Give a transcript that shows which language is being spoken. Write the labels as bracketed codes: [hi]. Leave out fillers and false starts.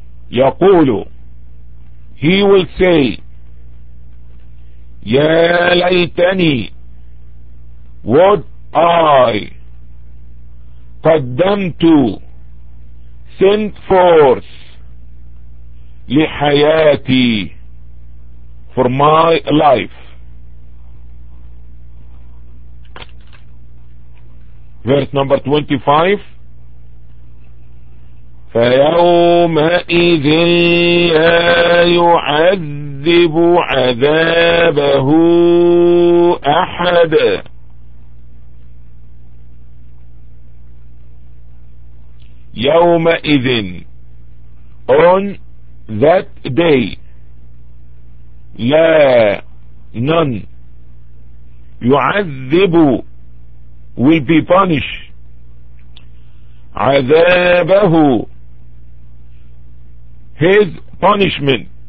[ar] يقول, [en] he will say, [ar] يا ليتني, [en] would I [ar] قدمت, [en] sent forth [ar] لحياتي, [en] for my life. Verse number 25, [ar] فَيَوْمَئِذٍ لَا يُعَذِّبُ عَذَابَهُ أَحَدٌ. يَوْمَئِذٍ, [en] on that day, [ar] لا, [en] none, [ar] يعذب, [en] will be punished, [ar] عذابه, [en] his punishment,